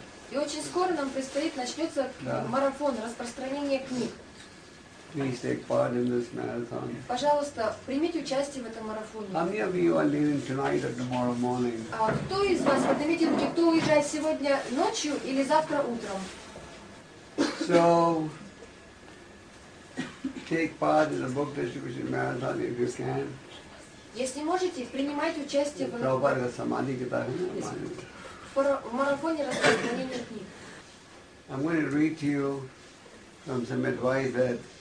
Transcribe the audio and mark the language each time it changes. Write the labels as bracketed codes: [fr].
[ru] И очень скоро нам предстоит, начнется марафон, распространение книг. [en] Please take part in this marathon. [ru] Пожалуйста, примите участие в этом марафоне. [en] How many of you are leaving tonight or tomorrow morning? [ru] А кто из вас, поднимите руки, кто уезжает сегодня ночью или завтра утром? [en] So, take part in the book distribution marathon if you can. [ru] Если можете, принимайте участие в... Прабхупада Самади Китай. В марафоне распространения книг.